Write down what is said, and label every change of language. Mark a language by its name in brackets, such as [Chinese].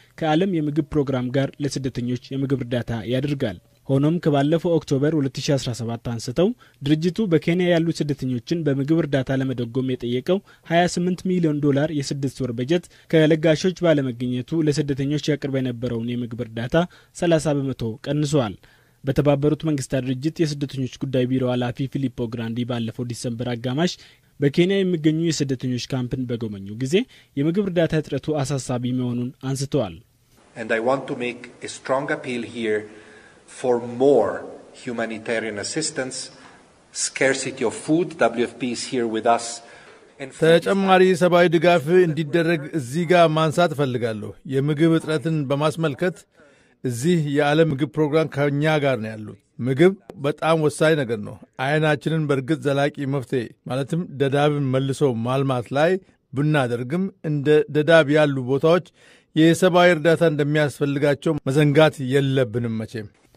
[Amharic] ከዓለም የምግብ ፕሮግራም ጋር ለስደተኞች የምግብ እርዳታ ያደርጋል። ሆኖም ከባለፈው ኦክቶበር 2017 አንስተው ድርጅቱ በኬንያ ያሉ ስደተኞችን በምግብ እርዳታ ለመደጎም የጠየቀው 28 ሚሊዮን ዶላር የስድስት ወር በጀት ከለጋሾች ባለመገኘቱ ለስደተኞች ያቀርበ የነበረውን የምግብ እርዳታ 30 በመቶ ቀንሷል። በተባበሩት መንግስታት ድርጅት የስደተኞች ጉዳይ ቢሮ ኃላፊ ፊሊፖ ግራንዲ ባለፈው ዲሰምበር አጋማሽ በኬንያ የሚገኙ የስደተኞች ካምፕን በጎበኙ ጊዜ የምግብ እርዳታ እጥረቱ አሳሳቢ መሆኑን አንስተዋል። [English] And I want to make a strong appeal here for more humanitarian assistance. Scarcity of food, WFP is here with us. [Amharic] ተጨማሪ ሰብአዊ ድጋፍ እንዲደረግ እዚህ ጋር ማንሳት ፈልጋለሁ። የምግብ እጥረትን በማስመልከት እዚህ የዓለም ምግብ ፕሮግራም ከኛ ጋር ነው ያሉት። ምግብ በጣም ወሳኝ ነገር ነው። አይናችንን በርግጥ ዘላቂ መፍትሄ ማለትም ደዳብን መልሶ ማልማት ላይ ብናደርግም እንደ ደዳብ ያሉ ቦታዎች የሰብአዊ እርዳታ እንደሚያስፈልጋቸው መዘንጋት የለብንም መቼም።